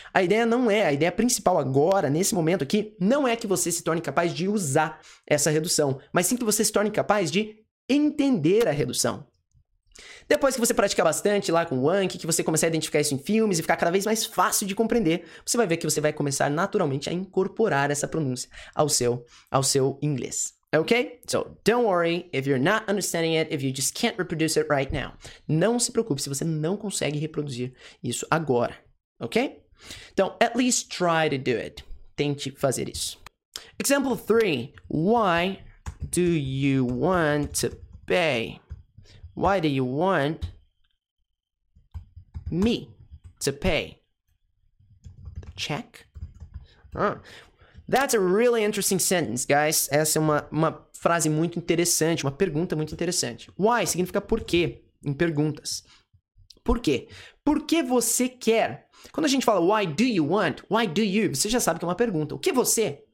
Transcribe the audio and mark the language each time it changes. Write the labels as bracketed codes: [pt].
[pt] A ideia principal agora, nesse momento aqui, não é que você se torne capaz de usar essa redução, mas sim que você se torne capaz de entender a redução. Depois que você praticar bastante lá com o Anki, que você começar a identificar isso em filmes e ficar cada vez mais fácil de compreender, você vai ver que você vai começar naturalmente a incorporar essa pronúncia ao seu inglês. [en] Okay, so don't worry if you're not understanding it, if you just can't reproduce it right now. [pt] Não se preocupe se você não consegue reproduzir isso agora, okay? [en] Então, at least try to do it. [pt] Tente fazer isso. [en] Example 3. Why do you want to pay? Why do you want me to pay the check? That's a really interesting sentence, guys. [pt] Essa é uma frase muito interessante, uma pergunta muito interessante. Why significa por quê em perguntas. Por quê? Por que você quer? Quando a gente fala [en] why do you want, why do you, [pt] você já sabe que é uma pergunta. O que você?